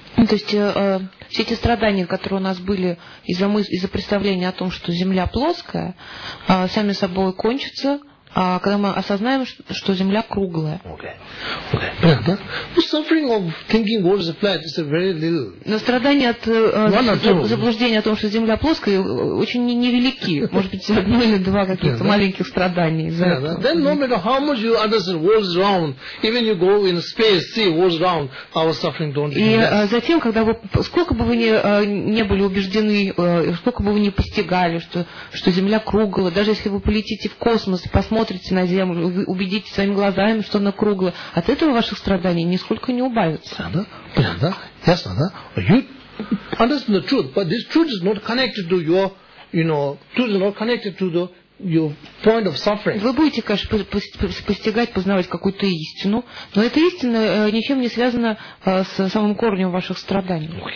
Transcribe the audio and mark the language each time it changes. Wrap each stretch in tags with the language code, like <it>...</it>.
<ru>То есть, все эти страдания, которые у нас были из-за представления о том, что Земля плоская, сами собой кончатся, А когда мы осознаем, что Земля круглая.</ru> <en>Okay. Okay. Suffering of thinking what is flat is a very little.</en> <ru>Но страдания от заблуждения о том, что Земля плоская, очень невелики. Может быть, одно или два каких-то маленьких страданий.</ru> <en>Then no matter how much you understand what is round, even you go in space, see what is round, our suffering don't.</en> <ru>И затем, когда вы сколько бы вы не были убеждены, сколько бы вы не постигали, что Земля круглая, даже если вы полетите в космос, смотрите на Землю, убедитесь своими глазами, что она круглая. От этого ваших страданий нисколько не убавится. Да, понятно, ясно, да?</ru> <en>You understand the truth, but this truth is not connected to your, you know, truth is not connected to the your point of suffering.</en> <ru>Вы будете, конечно, постигать, познавать какую-то истину, но эта истина ничем не связана с самым корнем ваших страданий.</ru>